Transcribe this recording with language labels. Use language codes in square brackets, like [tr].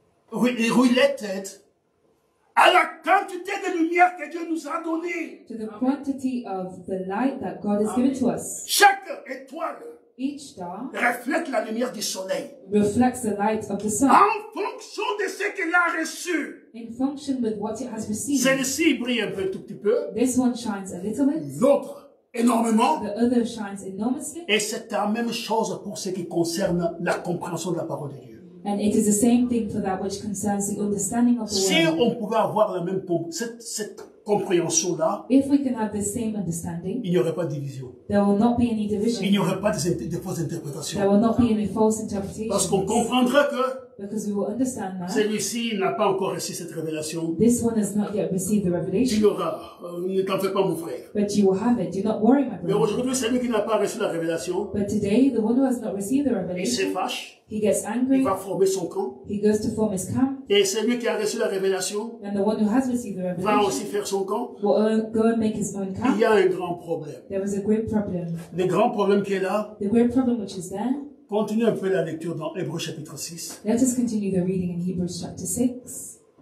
[fr] related à la quantité de lumière que Dieu nous a donnée. [en] To the quantity of the light that God has given to us. [fr] Chaque étoile. [en] Each star [fr] reflète la lumière du soleil. [en] Reflects the light of the sun. [fr] En fonction de ce qu'elle a reçu. [en] In function with what it has received. [fr] Celle-ci brille un peu, tout petit peu. [en] This one shines a little bit. [fr] L'autre énormément. [en] The other shines enormously. [fr] Et c'est la même chose pour ce qui concerne la compréhension de la parole de Dieu. [en] And it is the same thing for that which concerns the understanding of the word. [fr] Si on pouvait avoir la même cette compréhension là, [en] if we can have the same understanding, [fr] il n'y aurait pas de division. [en] There will not be any division. [fr] Il n'y aurait pas de fausses interprétations. [en] There will not be any false interpretations. [fr] Parce qu'on comprendrait que, [en] because we will understand that, [fr] celui-ci n'a pas encore reçu cette révélation. [en] This one has not yet received the revelation. [fr] Il l'aura. Ne t'en fais pas, mon frère. [en] But you will have it. Do not worry, my brother. [fr] Mais aujourd'hui, celui qui n'a pas reçu la révélation, [en] but today, the one who has not received the revelation, [fr] il se fâche. [en] He gets angry. [fr] Il va former son camp. [en] He goes to form his camp. [fr] Et celui qui a reçu la révélation, [en] and the one who has received the revelation, [fr] va aussi faire son camp. [en] Will go and make his own camp. [fr] Il y a un grand problème. [en] There was a great problem. [fr] Le grand problème qui est là. [en] The great problem which is there. [fr] Continue un peu la lecture dans Hébreux chapitre 6. [en] Let us continue the reading in Hebrews chapter 6.